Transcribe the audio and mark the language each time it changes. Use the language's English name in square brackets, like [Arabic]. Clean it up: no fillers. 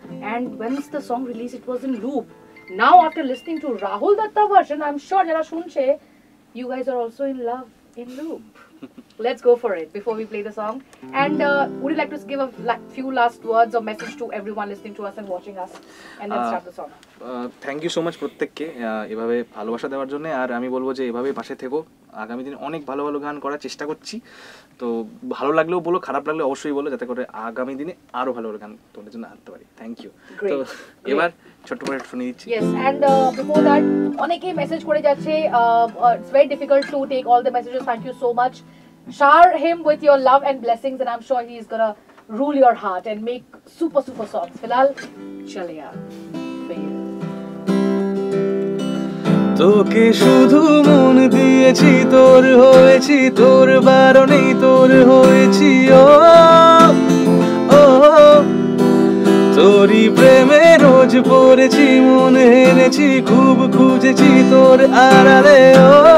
[English] And when was the song released? It was in loop. Now after listening to Rahul Dutta version, I'm sure [Bangla] jara sunche, [English] you guys are also in love in loop. Let's go for it before we play the song. And would you like to give a few last words or message to everyone listening to us and watching us, and then start the song? Thank you so much [Bangla] প্রত্যেককে এভাবে ভালোবাসা দেওয়ার জন্য, আর আমি বলবো যে এভাবে পাশে থেকো, আগামী দিনে অনেক ভালো ভালো গান করার চেষ্টা করছি, তো ভালো লাগলেও বলো, খারাপ লাগলেও অবশ্যই বলো, যাতে করে আগামী দিনে আরো ভালো ভালো গান তোমাদের জন্য আনতে পারি. [English] Thank you. [Bangla] তো এবার ছোট্ট করে শুনে দিচ্ছি. [English] Yes, and before that [Bangla] অনেকেই মেসেজ করে যাচ্ছে, [English] it's very difficult to take all the messages, thank you so much, share him with your love and blessings, and I'm sure he is gonna rule your heart and make super super songs. [Hindi] Filhal Chaleya. [Bangla] তোকে শুধু মন দিয়েছি, তোর হয়েছি, তোর বারণেই তোর হয়েছি, ও তোরই প্রেমে রোজ পড়েছি, মন হেরেছি, খুব খুঁজেছি তোর আড়ালে, ও